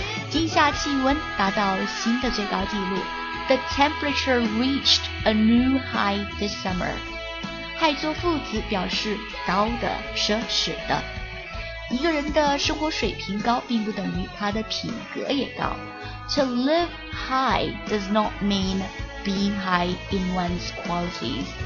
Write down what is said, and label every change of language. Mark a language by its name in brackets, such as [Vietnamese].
[Chinese] 今夏气温达到新的最高纪录。 [English] The temperature reached a new high this summer. [Chinese] 还做副词，表示高的、奢侈的。一个人的生活水平高并不等于他的品格也高。 [English] To live high does not mean being high in one's qualities。